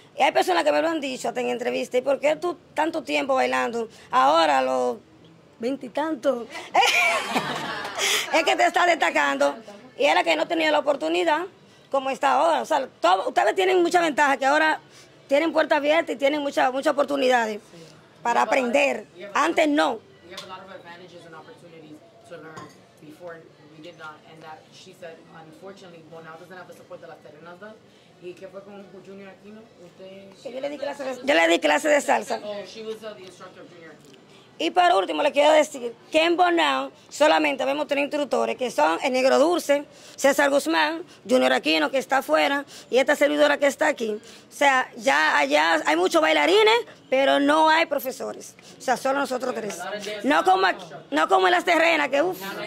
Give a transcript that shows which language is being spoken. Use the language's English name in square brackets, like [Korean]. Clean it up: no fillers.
[Spanish] Y hay personas que me lo han dicho hasta en entrevistas. ¿Y por qué tú tanto tiempo bailando? Ahora los 20 y tantos. Es que te está destacando. Y era que no tenía la oportunidad como está ahora. O sea, ustedes tienen mucha ventaja, que ahora tienen puertas abiertas y tienen muchas oportunidades. Sí. Para aprender. Antes no. [English] We have a lot of advantages and opportunities to learn before we did not. And that she said, unfortunately, Bonao doesn't have the support [Spanish] de las terrenas. ¿Y qué fue con Junior Aquino? Yo le di clase de salsa. [English] Oh, she was the instructor of Junior Aquino. [Spanish] Y por último, le quiero decir que en Bonao solamente vemos tres instructores, que son el Negro Dulce, César Guzmán, Junior Aquino, que está afuera, y esta servidora que está aquí. O sea, ya allá hay muchos bailarines, pero no hay profesores. O sea, solo nosotros tres. No como aquí, no como en las terrenas, que uff.